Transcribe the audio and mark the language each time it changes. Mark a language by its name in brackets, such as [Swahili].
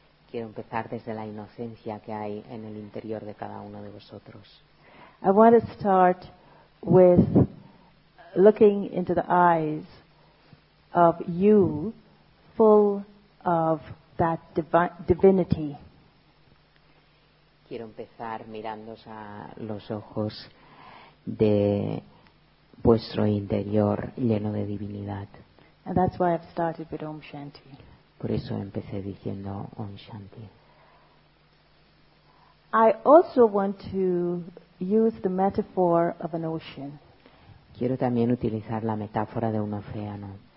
[Spanish] Quiero empezar desde la inocencia que hay en el interior de cada uno de vosotros. [English] I want to start with looking into the eyes of you, full of that divinity. [Spanish] Quiero empezar mirándoos a los ojos de vuestro interior lleno de divinidad. [English] And that's why I've started with Om Shanti. [Spanish] Por eso empecé diciendo Om Shanti. [English] I also want to use the metaphor of an ocean. [Spanish] Quiero también utilizar la metáfora de un océano.